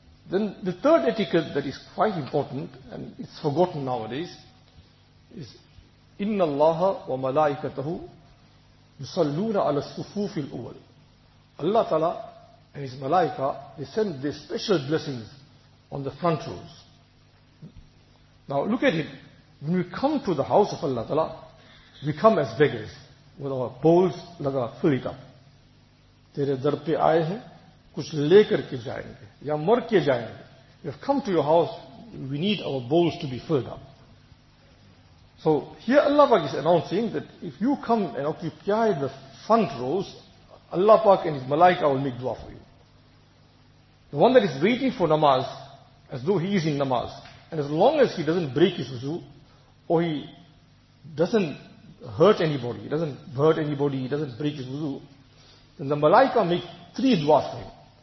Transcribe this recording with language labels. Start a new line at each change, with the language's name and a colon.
English: Then the third etiquette that is quite important and it's forgotten nowadays is
Arabic: إِنَّ اللَّهَ وَمَلَائِكَتَهُ يُصَلُّونَ عَلَى الصُّفُوفِ الْأُوَلِ.
English: Allah Ta'ala and His Malaika, they send their special blessings on the front rows. Now look at it. When we come to the house of Allah Ta'ala, we come as beggars. With our bowls, Allah Ta'ala fill it up.
Urdu: تیرے در پہ آئے ہیں کچھ لے کر کے جائیں گے یا مر کے جائیں گے.
English: We have come to your house, we need our bowls to be filled up. So here Allah Pak is announcing that if you come and occupy the front rows, Allah Pak and His Malaika will make dua for you. The one that is waiting for namaz, as though he is in namaz, and as long as he doesn't break his wuzu, or he doesn't hurt anybody, he doesn't hurt anybody, he doesn't break his wuzu, then the Malaika make three du'as for him.